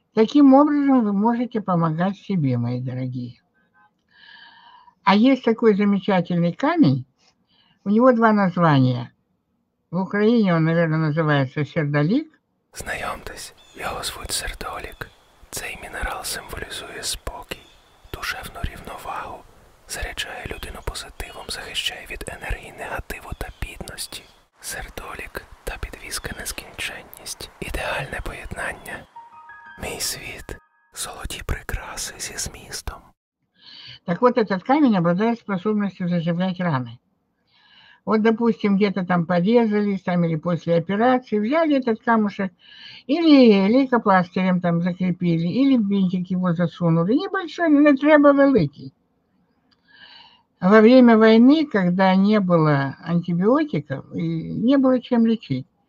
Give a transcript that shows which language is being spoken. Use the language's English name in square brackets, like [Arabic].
[Russian] Таким образом вы можете помогать себе, мои дорогие. А есть такой замечательный камень. У него два названия. В Украине он, наверное, называется сердолик. [Ukrainian] Знайомтесь, я вас зовут Сердолик. Цей мінерал символізує спокій, душевну рівновагу, заряджає людину позитивом, захищає від енергії негативу та бідності. Сердолік та підвіска нескінченність, ідеальне поєднання. Мій світ – золоті прикраси зі змістом. Так от, цей камінь обладає способністю заживляти рани. [Russian] Вот, допустим, где-то там порезались, там или после операции взяли этот камушек, или лейкопластырем там закрепили, или в бинтик его засунули. Небольшой, но треба великий. Во время войны, когда не было антибиотиков, и не было чем лечить.